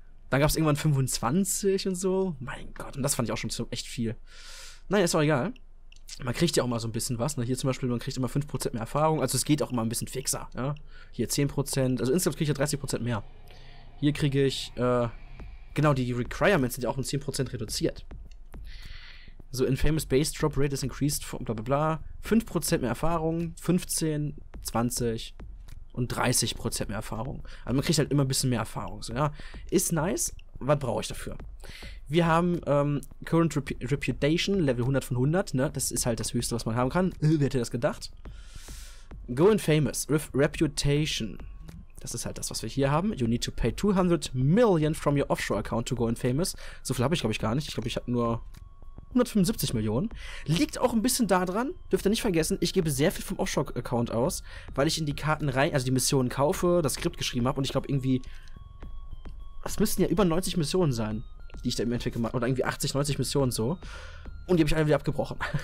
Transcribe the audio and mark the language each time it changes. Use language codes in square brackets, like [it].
[de] Dann gab es irgendwann 25 und so. Mein Gott, und das fand ich auch schon echt viel. Naja, ist auch egal. Man kriegt ja auch mal so ein bisschen was. Ne? Hier zum Beispiel, man kriegt immer 5% mehr Erfahrung. Also es geht auch immer ein bisschen fixer. Ja? Hier 10%. Also insgesamt kriege ich ja 30% mehr. Hier kriege ich, genau, die Requirements sind ja auch um 10% reduziert. [en] So, Infamous Base Drop Rate is increased from bla bla bla. [de] 5% mehr Erfahrung, 15, 20 und 30% mehr Erfahrung. Also man kriegt halt immer ein bisschen mehr Erfahrung. So, ja. Ist nice. Was brauche ich dafür? Wir haben Current Reputation, Level 100 von 100, ne? Das ist halt das Höchste, was man haben kann. Wer hätte das gedacht? [en] Go and Famous, Reputation. [de] Das ist halt das, was wir hier haben. [en] You need to pay 200 million from your offshore account to go and Famous. [de] So viel habe ich, glaube ich, gar nicht. Ich glaube, ich habe nur 175 Millionen. Liegt auch ein bisschen daran, dürft ihr nicht vergessen, ich gebe sehr viel vom Offshore-Account aus, weil ich in die Karten rein, also die Missionen kaufe, das Skript geschrieben habe und ich glaube irgendwie... Das müssten ja über 90 Missionen sein, die ich da im Endeffekt gemacht habe. Oder irgendwie 80, 90 Missionen so. Und die habe ich alle wieder abgebrochen.